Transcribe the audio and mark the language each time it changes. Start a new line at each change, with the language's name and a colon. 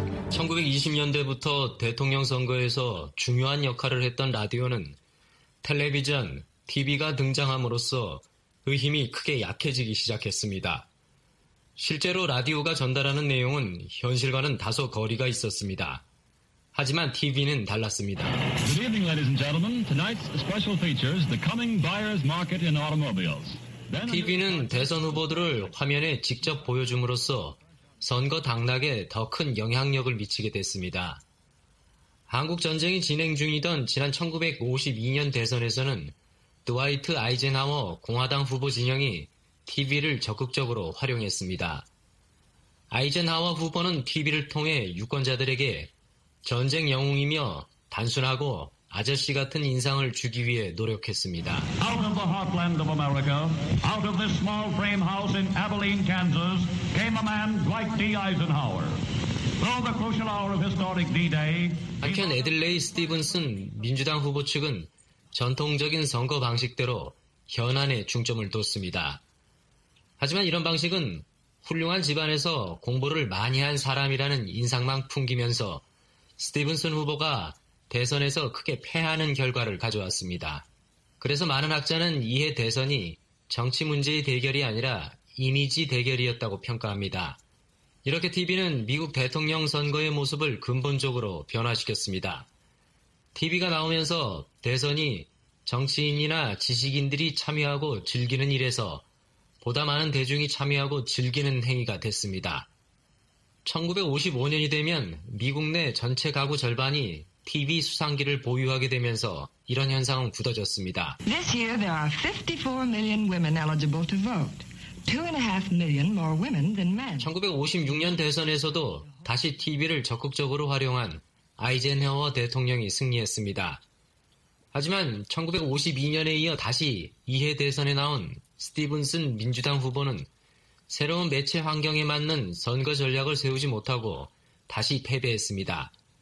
Korean: 1920년대부터 대통령 선거에서 중요한 역할을 했던 라디오는 텔레비전, TV가 등장함으로써 그 힘이 크게 약해지기 시작했습니다. 실제로 라디오가 전달하는 내용은 현실과는 다소 거리가 있었습니다. 하지만 TV는 달랐습니다.
English: Good evening, ladies and gentlemen. Tonight's special features, the coming buyer's market in automobiles.
Korean: TV는 대선 후보들을 화면에 직접 보여줌으로써 선거 당락에 더 큰 영향력을 미치게 됐습니다. 한국 전쟁이 진행 중이던 지난 1952년 대선에서는 드와이트 아이젠하워 공화당 후보 진영이 TV를 적극적으로 활용했습니다. 아이젠하워 후보는 TV를 통해 유권자들에게 전쟁 영웅이며 단순하고 아저씨 같은 인상을 주기 위해 노력했습니다.
English: Out of the heartland of America, out of this small frame house in Abilene, Kansas, came a man, Dwight D. Eisenhower. Through the crucial hour of historic D-Day.
Korean: 한편 애들레이 스티븐슨 민주당 후보 측은 전통적인 선거 방식대로 현안에 중점을 뒀습니다. 하지만 이런 방식은 훌륭한 집안에서 공부를 많이 한 사람이라는 인상만 풍기면서 스티븐슨 후보가 대선에서 크게 패하는 결과를 가져왔습니다. 그래서 많은 학자는 이해 대선이 정치 문제의 대결이 아니라 이미지 대결이었다고 평가합니다. 이렇게 TV는 미국 대통령 선거의 모습을 근본적으로 변화시켰습니다. TV가 나오면서 대선이 정치인이나 지식인들이 참여하고 즐기는 일에서 보다 많은 대중이 참여하고 즐기는 행위가 됐습니다. 1955년이 되면 미국 내 전체 가구 절반이 TV 수상기를 보유하게 되면서 이런 현상은 굳어졌습니다.
English: This year there are 54 million women eligible to vote. 2.5 million more women than men.
Korean: 1956년 대선에서도 다시 TV를 적극적으로 활용한 아이젠하워 대통령이 승리했습니다. 하지만 1952년에 이어 다시 이해 대선에 나온 스티븐슨 민주당 후보는 새로운 매체 환경에 맞는 선거 전략을 세우지 못하고 다시 패배했습니다.